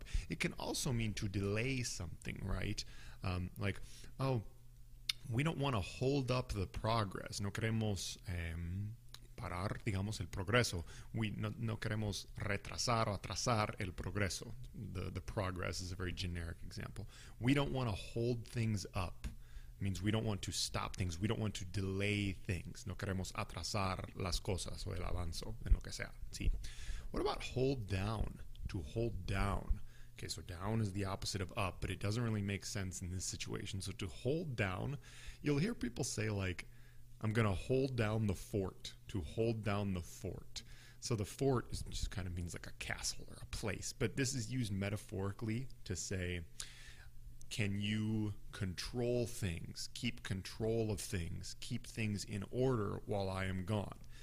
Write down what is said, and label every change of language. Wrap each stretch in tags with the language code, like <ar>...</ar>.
<en>It can also mean to delay something, right? Like, oh, we don't want to hold up the progress.</en> <es>No queremos parar, digamos, el progreso. No queremos retrasar o atrasar el progreso.</es> <en>The progress is a very generic example. We don't want to hold things up. It means we don't want to stop things. We don't want to delay things.</en> <es>No queremos atrasar las cosas o el avance en lo que sea.</es> <en>¿Sí? What about hold down? To hold down. Okay, so down is the opposite of up, but it doesn't really make sense in this situation. So to hold down, you'll hear people say like, I'm going to hold down the fort, to hold down the fort. So the fort is just kind of means like a castle or a place, but this is used metaphorically to say, can you control things, keep control of things, keep things in order while I am gone?</en>